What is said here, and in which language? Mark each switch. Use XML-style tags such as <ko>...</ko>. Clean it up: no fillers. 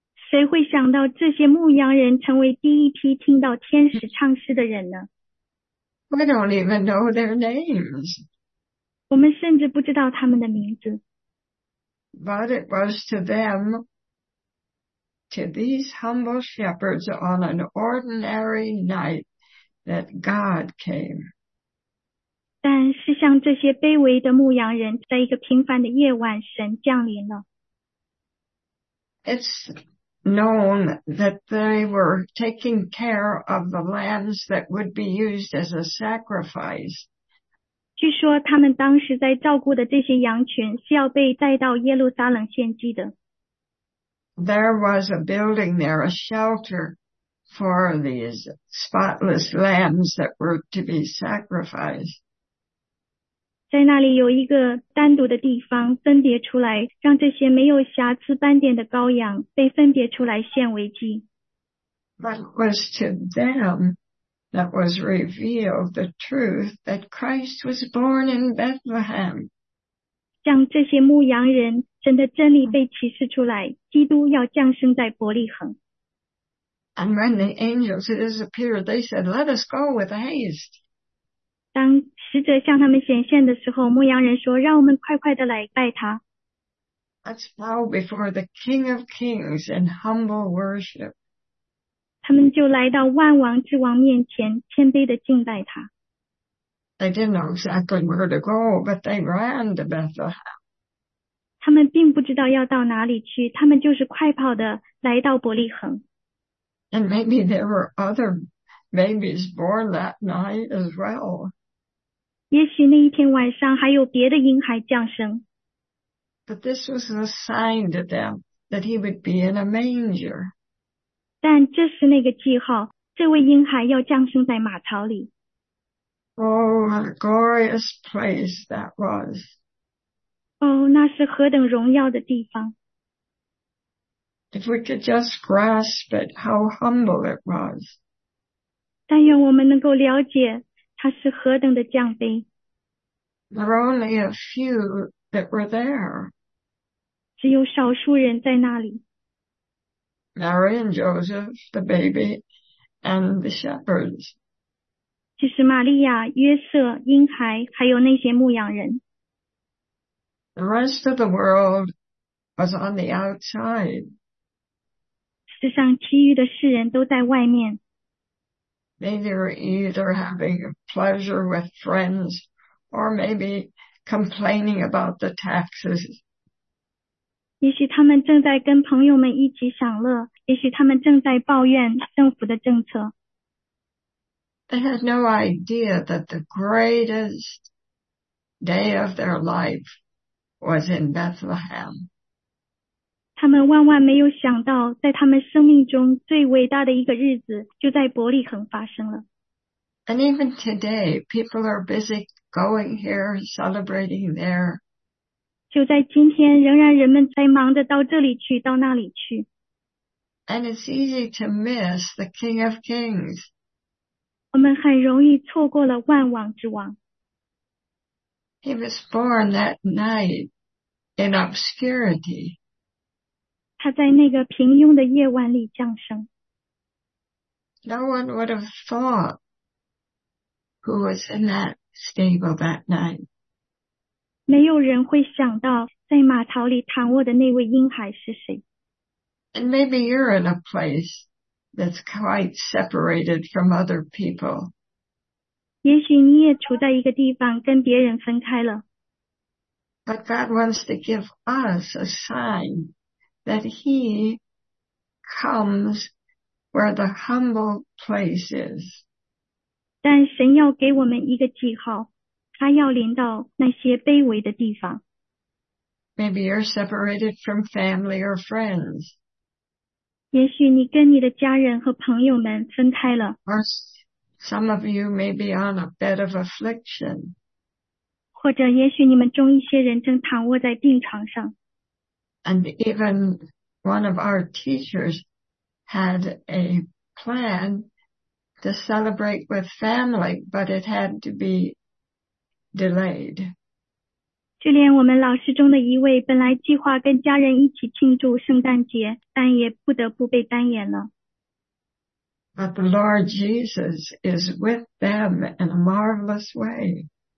<zh>谁会想到这些牧羊人成为第一批听到天使唱诗的人呢？</zh> <en>We don't even know their names.</en> <zh>我们甚至不知道他们的名字。</zh> <en>But it was to them, to these humble shepherds on an ordinary night, that God came.</en> <zh>但是像这些卑微的牧羊人，在一个平凡的夜晚，神降临了。</zh> <en>It's known that they were taking care of the lambs that would be used as a sacrifice.</en> <zh>据说他们当时在照顾的这些羊群是要被带到耶路撒冷献祭的。</zh> <en>There was a building there, a shelter for these spotless lambs that were to be sacrificed.</en> <zh>在那里有一个单独的地方，分别出来，让这些没有瑕疵斑点的羔羊被分别出来献为祭。</zh> <en>But it was to them that was revealed the truth that Christ was born in Bethlehem.</en> <zh>像这些牧羊人，神的真理被启示出来，基督要降生在伯利恒。</zh> <en>And when the angels disappeared, they said, "Let us go with haste."</en> <zh>当使者向他们显现的时候，牧羊人说："让我们快快地来拜他。</zh> <en>Let's bow before the King of Kings in humble worship."</en> <zh>他们就来到万王之王面前，谦卑地敬拜他。</zh> <en>They didn't know exactly where to go, but they ran to Bethlehem.</en> <zh>他们并不知道要到哪里去，他们就是快跑地来到伯利恒。</zh> <en>And maybe there were other babies born that night as well.</en> <zh>也许那一天晚上还有别的婴孩降生。</zh> <en>But this was a sign to them that he would be in a manger.</en> <zh>但这是那个记号，这位婴孩要降生在马槽里。</zh> <en>Oh, what a glorious place that was.</en> <zh>Oh, 那是何等荣耀的地方。</zh> <en>If we could just grasp it, how humble it was.</en> <zh>但愿我们能够了解他是何等的降卑。</zh> <en>There were only a few that were there.</en> <zh>只有少数人在那里。</zh> <en>Mary and Joseph, the baby, and the shepherds.</en> <zh>就是玛利亚、约瑟、婴孩，还有那些牧羊人。</zh> <en>The rest of the world was on the outside.</en> <zh>世上其余的世人都在外面。</zh> <en>Maybe they were either having pleasure with friends or maybe complaining about the taxes.</en> <zh>也许他们正在跟朋友们一起享乐，也许他们正在抱怨政府的政策。</zh> <en>They had no idea that the greatest day of their life was in Bethlehem.</en> <zh>他们万万没有想到，在他们生命中最伟大的一个日子就在伯利恒发生了。</zh> <en>And even today, people are busy going here, celebrating there.</en> <zh>就在今天，仍然人们在忙着到这里去，到那里去。</zh> <en>And it's easy to miss the King of Kings.</en> <zh>我们很容易错过了万王之王。</zh> <en>He was born that night in obscurity.</en> <zh>他在那个平庸的夜晚里降生。</zh> <en>No one would have thought who was in that stable that night.</en> <zh>没有人会想到在马槽里躺卧的那位婴孩是谁。</zh> <en>And maybe you're in a place that's quite separated from other people.</en> <zh>也许你也处在一个地方跟别人分开了。</zh> <en>But God wants to give us a sign that he comes where the humble place is.</en> <zh>但神要给我们一个记号，他要临到那些卑微的地方。</zh> <en>Maybe you're separated from family or friends.</en> <zh>也许你跟你的家人和朋友们分开了。</zh> <en>Or some of you may be on a bed of affliction.</en> <zh>或者也许你们中一些人正躺卧在病床上。</zh> <en>And even one of our teachers had a plan to celebrate with family, but it had to be delayed.</en> <zh>就连我们老师中的一位本来计划跟家人一起庆祝圣诞节，但也不得不被耽延了。</zh> <en>But the Lord Jesus is with them in a marvelous way.</en>